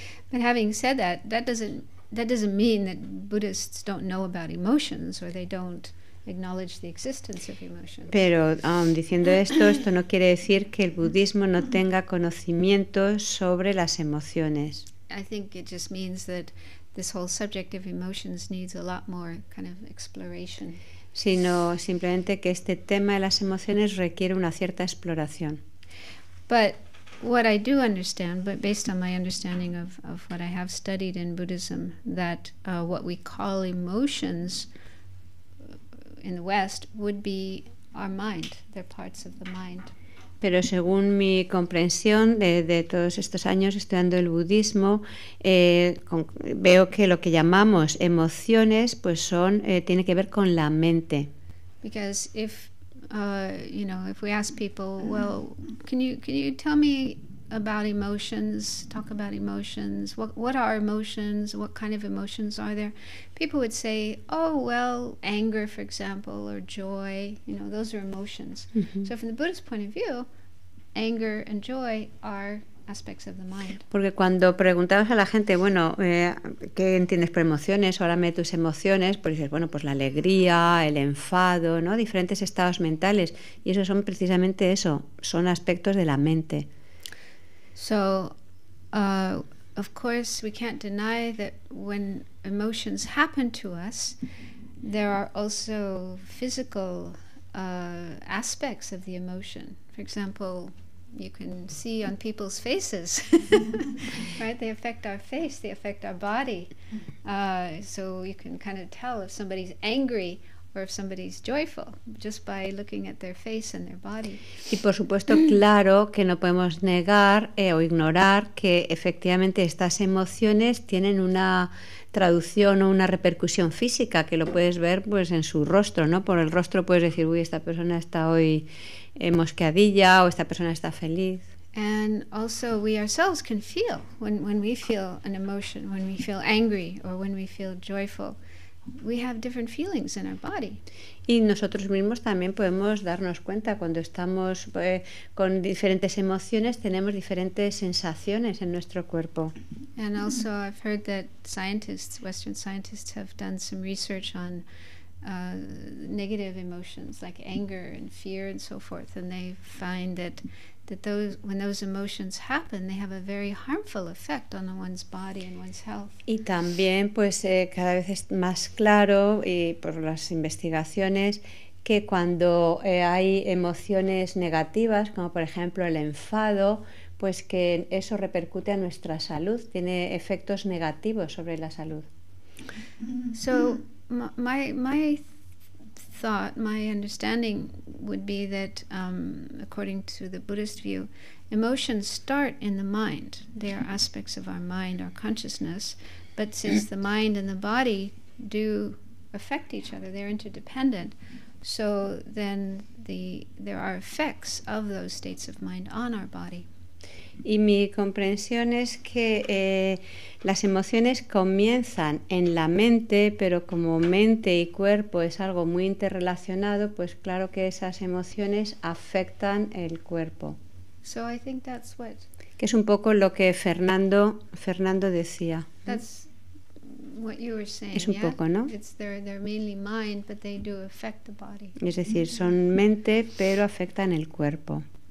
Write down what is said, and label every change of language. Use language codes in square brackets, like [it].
[en] But having said that, that doesn't mean that Buddhists don't know about emotions or they don't acknowledge the existence of emotions. [es] Pero diciendo esto no quiere decir que el budismo no tenga conocimientos sobre las emociones. [en] I think it just means that this whole subject of emotions needs a lot more kind of exploration. [es] Sino simplemente que este tema de las emociones requiere una cierta exploración. [en] But what I do understand, but based on my understanding of what I have studied in Buddhism, that what we call emotions in the West would be our mind, they're parts of the mind. [es] Pero según mi comprensión de todos estos años estudiando el budismo, veo que lo que llamamos emociones pues son tiene que ver con la mente. [en] Because if you know, if we ask people, well, can you tell me about emotions, talk about emotions, what are emotions, what kind of emotions are there, people would say, oh, well, anger, for example, or joy, you know, those are emotions. Mm-hmm. So from the Buddhist point of view, anger and joy are aspects of the mind. [es] Porque cuando preguntamos a la gente, bueno, ¿qué entiendes por emociones? O háblame de tus emociones, pues dices, bueno, pues la alegría, el enfado, ¿no? Diferentes estados mentales. Y eso son precisamente eso, son aspectos de la mente. [en] So, of course, we can't deny that when emotions happen to us, there are also physical aspects of the emotion. For example, you can see on people's faces, right? They affect our face, they affect our body. So you can kind of tell if somebody's angry or if somebody's joyful just by looking at their face and their body. [es] Y por supuesto, claro que no podemos negar o ignorar que efectivamente estas emociones tienen una traducción o una repercusión física, que lo puedes ver pues en su rostro, ¿no? Por el rostro puedes decir, uy, esta persona está hoy mosqueadilla o esta persona está feliz. [en] And also we ourselves can feel when we feel an emotion, when we feel angry or when we feel joyful. We have different feelings in our body. [es] Y nosotros mismos también podemos darnos cuenta cuando estamos con diferentes emociones, tenemos diferentes sensaciones en nuestro cuerpo. [en] And also I've heard that scientists, Western scientists, have done some research on negative emotions like anger and fear and so forth, and they find that those, when those emotions happen, they have a very harmful effect on one's body and one's health. [es] Y también, pues, cada vez es más claro, y por las investigaciones, que cuando hay emociones negativas, como por ejemplo el enfado, pues que eso repercute a nuestra salud, tiene efectos negativos sobre la salud. [en] So, my understanding would be that according to the Buddhist view, emotions start in the mind. They are aspects of our mind, our consciousness, but since the mind and the body do affect each other, they're interdependent, so then there are effects of those states of mind on our body. [es] Y mi comprensión es que las emociones comienzan en la mente, pero como mente y cuerpo es algo muy interrelacionado, pues claro que esas emociones afectan el cuerpo. [en] So I think that's what, [es] que es un poco lo que Fernando decía. [en] That's what you were saying, [es] es un poco, ¿no? [en] It's they're mainly mind, but they do affect the body. [es] Es decir, son mente, pero afectan el cuerpo.